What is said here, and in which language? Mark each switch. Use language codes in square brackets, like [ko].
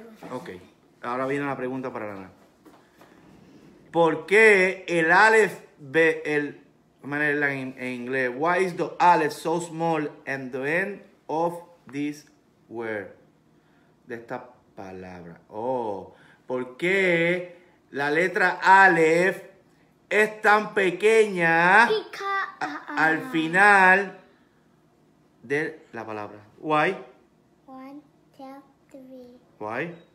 [es] Ok, ahora viene la pregunta para Alana. ¿Por qué el Aleph, [en] vamos a leerla en inglés? Why is the Aleph so small and the end of this word? [es] De esta palabra. Oh, ¿por qué la letra Aleph es tan pequeña al final de la palabra? [en] Why? 1, 2, 3. Why?